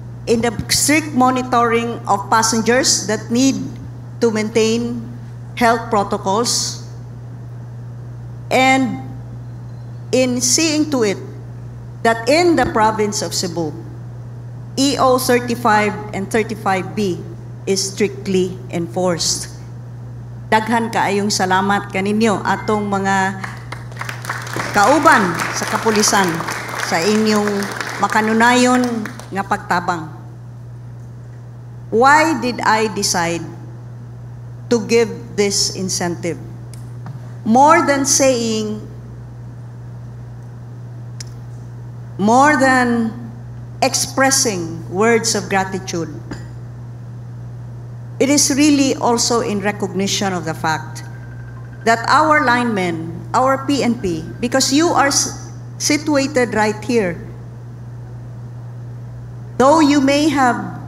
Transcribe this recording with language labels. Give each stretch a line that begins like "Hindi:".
English: in the strict monitoring of passengers that need to maintain health protocols, and in seeing to it that in the province of Cebu, EO 35 and 35B is strictly enforced.
Cebuano: Daghan kaayong salamat kaninyo atong mga kauban sa kapulisan sa inyong makanunayon nga pagtabang.
English: Why did I decide to give this incentive? More than saying, more than expressing words of gratitude, it is really also in recognition of the fact that our linemen, our PNP, because you are situated right here, though you may have